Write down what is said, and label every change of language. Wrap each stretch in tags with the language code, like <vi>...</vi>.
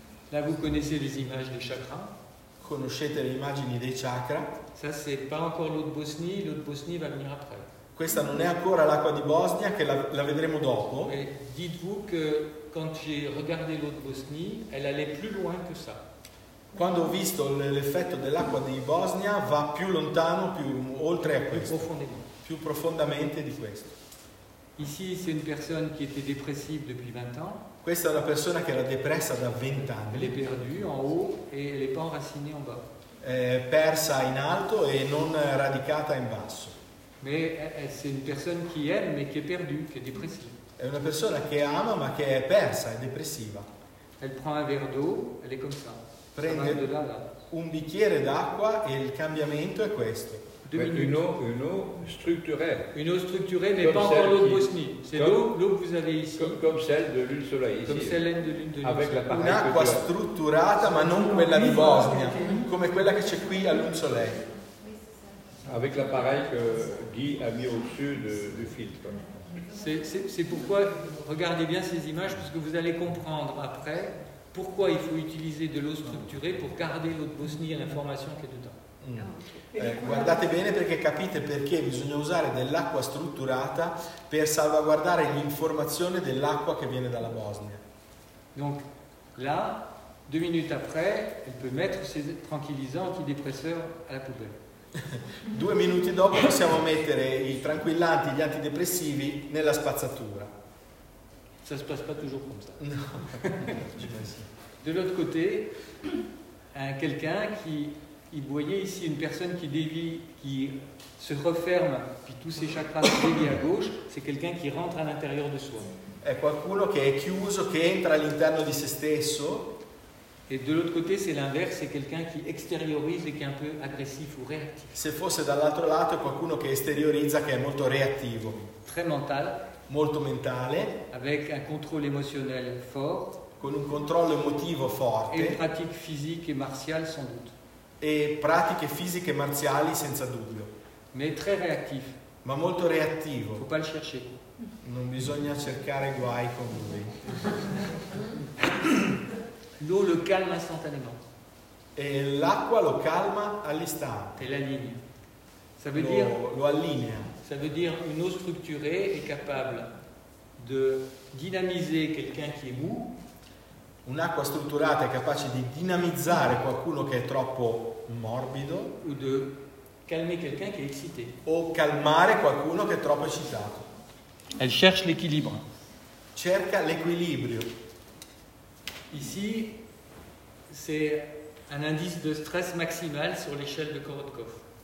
<fr>Là vous connaissez les images des chakras.</fr> <it>Conoscete le immagini dei chakra.</it> <fr>Ça c'est pas encore l'eau de Bosnie va venir après.</fr> <it>Questa non è ancora l'acqua di Bosnia, che la vedremo dopo.</it> <fr>E dites-vous que quand j'ai regardé l'eau de Bosnie, elle allait plus loin que ça.</fr> <it>Quando ho visto l'effetto dell'acqua di Bosnia, va più lontano, più oltre a questo. Più profondamente di questo.</it> <fr>Ici, c'est une personne qui était dépressive depuis 20 ans.</fr> <it>Questa è una persona che era depressa da 20 anni.</it> <fr>Elle est perdue en haut et elle n'est pas enracinée en bas.</fr> <it>È persa in alto e non radicata in basso.</it> <fr>Mais c'est une personne qui aime mais qui est perdue, qui est dépressive.</fr> <it>È una persona che ama ma che è persa, è depressiva.</it> <fr>Elle prend un verre d'eau, elle est comme ça.</fr> <it>Prende</it> <fr>de là.</fr> <it>Un bicchiere d'acqua e il cambiamento è questo.</it> <fr>Une eau structurelle. Une eau structurée mais pas encore l'eau de Bosnie. C'est l'eau que vous avez ici. Comme celle de l'huile solaire ici. Comme celle de l'huile de avec la pareille.</fr> <it>Un'acqua strutturata ma non quella di Bosnia, come quella che c'è qui all'</it> <fr>huile solaire. Avec l'appareil que Guy a mis au-dessus du filtre. C'est pourquoi, regardez bien ces images, parce que vous allez comprendre après pourquoi il faut utiliser de l'eau structurée pour garder l'eau de Bosnie et l'information qui est dedans.</fr> <it>Guardate bene perché capite perché bisogna usare dell'acqua strutturata per salvaguardare l'informazione dell'acqua che viene dalla Bosnia.</it> <fr>Donc là, Deux minutes après, elle peut mettre ses tranquillisants antidépresseurs à la poubelle.</fr> <it>Due minuti dopo possiamo mettere i tranquillanti, gli antidepressivi nella spazzatura.</it> <fr>Ça se passe pas toujours comme ça.</fr> <it>No.</it> <fr>De l'autre côté, quelqu'un qui, il voyait ici une personne qui dévie, qui se referme, puis tous ses chakras se dévient à gauche, c'est quelqu'un qui rentre à l'intérieur de soi.</fr> <it>È qualcuno che è chiuso, che entra all'interno di se stesso.</it> <fr>Et de l'autre côté, c'est l'inverse, c'est quelqu'un qui extériorise et qui est un peu agressif ou réactif.</fr> <it>Se fosse dall'altro lato, qualcuno che esteriorizza, che è molto reattivo.</it> <fr>Très mental.</fr> <it>Molto mentale.</it> <fr>Avec un contrôle émotionnel fort.</fr> <it>Con un controllo emotivo forte.</it> <fr>Et une pratique physique et martiale sans doute.</fr> <it>E pratiche fisiche e marziali senza dubbio.</it> <fr>Mais très réactif.</fr> <it>Ma molto reattivo.</it> <fr>Faut pas le chercher.</fr> <it>Non bisogna cercare guai con lui.</it> <fr>L'eau le calme instantanément.</fr> <it>Et l'acqua lo calma all'istante.</it> <fr>Et l'aligne. Ça veut dire.</fr> <it>Lo allinea.</it> <fr>Ça veut dire une eau structurée est capable de dynamiser quelqu'un qui est mou.</fr> <it>Un'acqua strutturata è capace di dinamizzare qualcuno che è troppo morbido.</it> <fr>Ou de calmer quelqu'un qui est excité.</fr> <it>O calmare qualcuno che è troppo eccitato.</it> <fr>Elle cherche l'équilibre.</fr> <it>Cerca l'equilibrio.</it> <fr>Ici, c'est un indice de stress maximal sur l'échelle de Korotkov.</fr>